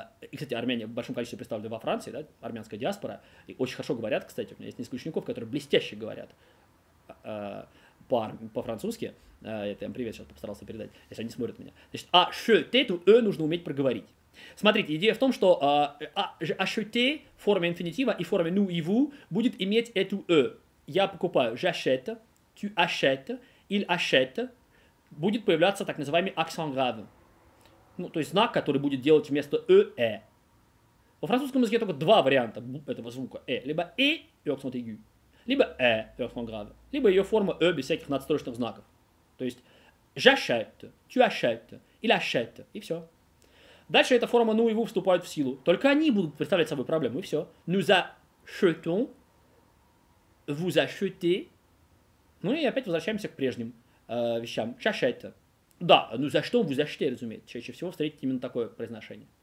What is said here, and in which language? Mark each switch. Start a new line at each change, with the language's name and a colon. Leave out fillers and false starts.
Russian: И, кстати, армяне в большом количестве представлены во Франции, да, армянская диаспора. И очень хорошо говорят, кстати, у меня есть несколько учеников, которые блестяще говорят по-французски. Это я им привет сейчас постарался передать, если они смотрят меня. Значит, acheter, эту «э» нужно уметь проговорить. Смотрите, идея в том, что acheter в форме инфинитива и в форме «nous и vous» будет иметь эту «э». Я покупаю
French: j'achète, tu achètes, il achète.
Russian: Будет появляться так называемый accent grave. Ну, то есть знак, который будет делать вместо «э» «э». Во французском языке только два варианта этого звука «э». Либо «э» и «accent aigu», либо «э» и «accent grave», либо ее форма «э» без всяких надстрочных знаков. То есть
French: «j'achète», «tu achètes», «il achète», и все.
Russian: Дальше эта форма «ну и ву» вступает в силу. Только они будут представлять собой проблему, и все.
French: «Nous achetons», «vous achetez».
Russian: Ну и опять возвращаемся к прежним вещам.
French: «J'achète».
Russian: Да, ну за что вы защите, разумеется, чаще всего встретить именно такое произношение.